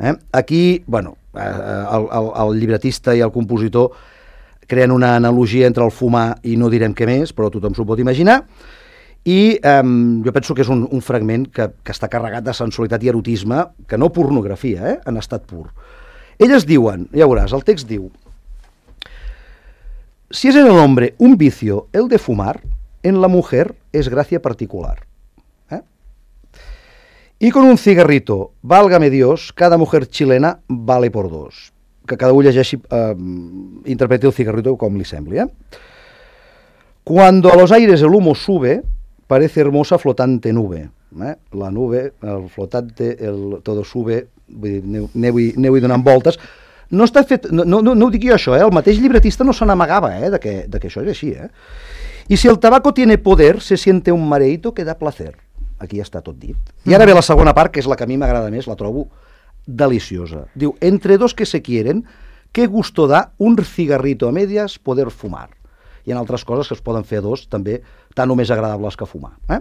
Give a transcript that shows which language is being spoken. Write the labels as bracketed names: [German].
[Catalan] Aquí, bueno, el llibretista i el compositor creen una analogia entre el fumar i no direm què més, però tothom s'ho pot imaginar, i jo penso que és un fragment que està carregat de sensualitat i erotisme, que no pornografia, en estat pur. Elles diuen, ja veuràs, el text diu: [Spanish] si és en el hombre un vicio el de fumar, en la mujer es gracia particular. Y con un cigarrito, válgame Dios, cada mujer chilena vale por dos. [Catalan] Que cada un llegeixi, interpreti el cigarrito com li sembli. [Spanish] Cuando a los aires el humo sube, parece hermosa flotante nube. La nube, el flotante, el todo sube, [Catalan] vull dir, aneu-hi donant voltes. No està fet, no ho dic jo això, el mateix llibretista no se n'amagava de que això és així. [Spanish] Y si el tabaco tiene poder, se siente un mareito que da placer. [Catalan] Aquí ja està tot dit. I ara ve la segona part, que és la que a mi m'agrada més, la trobo deliciosa. Diu: [Spanish] entre dos que se quieren, qué gusto da un cigarrito a medias poder fumar. [Catalan] Hi ha altres coses que es poden fer a dos, també, tan o més agradables que fumar.